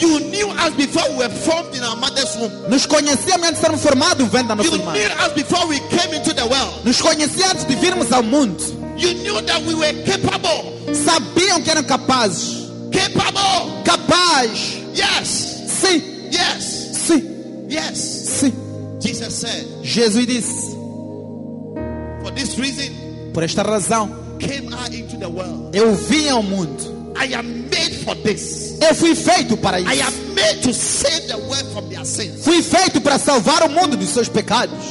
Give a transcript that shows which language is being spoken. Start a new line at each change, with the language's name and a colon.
English: You knew us before we were formed in our mother's womb.
Portuguese: Nos conhecíamos antes de sermos formados no ventre da nossa mãe.
English: You knew us before we came into the world.
Portuguese: Nos conhecia antes de virmos ao mundo.
English: You knew that we were capable.
Portuguese: Sabiam que eram capazes.
English: Capable.
Portuguese: Capaz.
English: Yes.
Portuguese: Sim.
English: Yes.
Portuguese: Sim.
English: Yes.
Portuguese: Sim.
English: Jesus said.
Portuguese: Jesus disse.
English: For this reason.
Portuguese: Por esta razão.
English: Came I into the world.
Portuguese: Eu vim ao mundo.
English: I am made for this.
Portuguese: Eu fui feito para isso.
English: I am made to save the world from their sins.
Portuguese: Fui feito para salvar o mundo dos seus pecados.